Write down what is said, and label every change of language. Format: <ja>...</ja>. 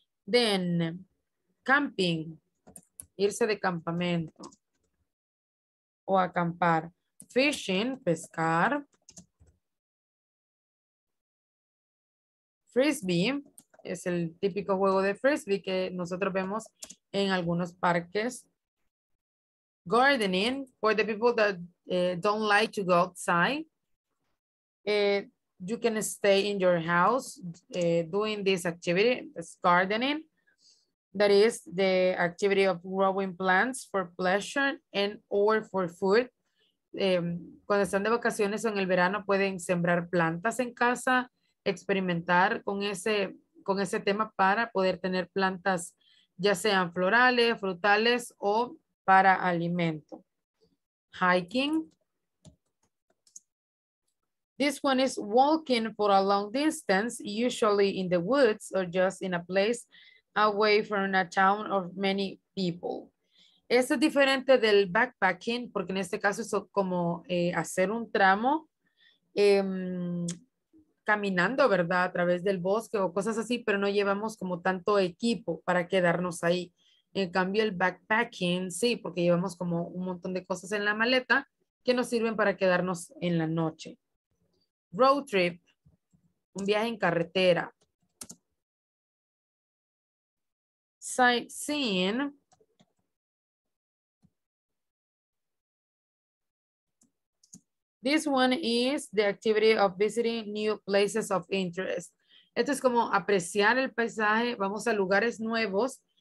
<es>Then, camping, irse de campamento o acampar. Fishing, pescar. Frisbee, es el típico juego de frisbee que nosotros vemos en algunos parques.</es> <en>Gardening, for the people that don't like to go outside, you can stay in your house doing this activity, this gardening. That is the activity of growing plants for pleasure and or for food.</en> <es>Cuando están de vacaciones o en el verano, pueden sembrar plantas en casa, experimentar con ese tema para poder tener plantas, ya sean florales, frutales o para alimento.</es> <en>Hiking. This one is walking for a long distance, usually in the woods or just in a place away from a town of many people.</en> <es>Esto es diferente del backpacking, porque en este caso es como hacer un tramo caminando, ¿verdad? A través del bosque o cosas así, pero no llevamos como tanto equipo para quedarnos ahí. En cambio, el backpacking, sí, porque llevamos como un montón de cosas en la maleta que nos sirven para quedarnos en la noche.</es> <en>Road trip,</en> <es>un viaje en carretera.</es> <en>Sightseeing. This one is the activity of visiting new places of interest.</en> <es>Esto es como apreciar el paisaje, vamos a lugares nuevos.</es>